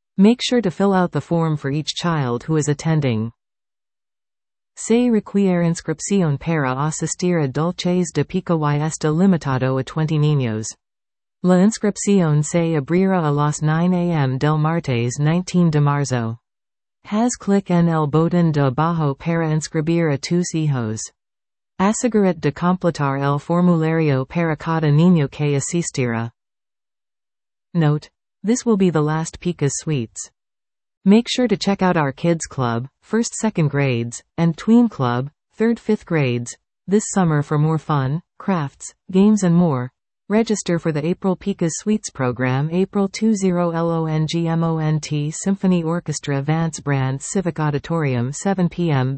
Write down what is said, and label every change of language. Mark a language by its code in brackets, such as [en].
[en] Make sure to fill out the form for each child who is attending. [es] Se requiere inscripción para asistir a Dulces de Pica y está limitado a 20 niños. La inscripción se abrirá a las 9 a.m. del martes 19 de marzo. Haz clic en el botón de abajo para inscribir a tus hijos. Asegúrate de completar el formulario para cada niño que asistirá. [en] Note: this will be the last Pica's Sweets. Make sure to check out our Kids Club, 1st-2nd grades, and Tween Club, 3rd-5th grades, this summer for more fun, crafts, games and more. Register for the April Pica's Sweets program, April 20-LONGMONT Symphony Orchestra Vance Brand Civic Auditorium 7 p.m.